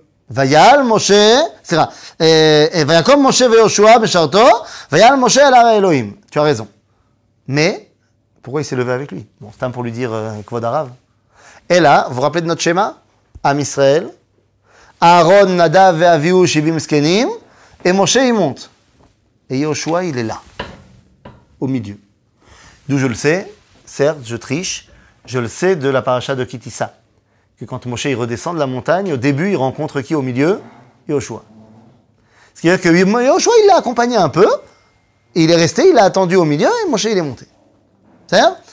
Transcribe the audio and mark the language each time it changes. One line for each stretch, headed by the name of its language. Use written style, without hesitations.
Hebrew: ויעל משה, סליחה, ויקום משה ויהושע בשרתו, ויעל משה אל הר האלוהים.
French: Tu as raison. Mais, pourquoi il s'est levé avec lui? Bon, c'est un pour lui dire, כבוד הרב. אלא, vous vous rappelez de notre schéma? עם ישראל, אהרון, נדב ואביהו, 70 זקנים, et משה il monte. Et יהושע il est là, au milieu. D'où je le sais, certes, je triche, je le sais de la parasha de Kitissa. Que quand Moshe il redescend de la montagne, au début, il rencontre qui au milieu? Yoshua. Ce qui veut dire que Yoshua, il l'a accompagné un peu, et il est resté, il l'a attendu au milieu, et Moshe, il est monté. C'est vrai?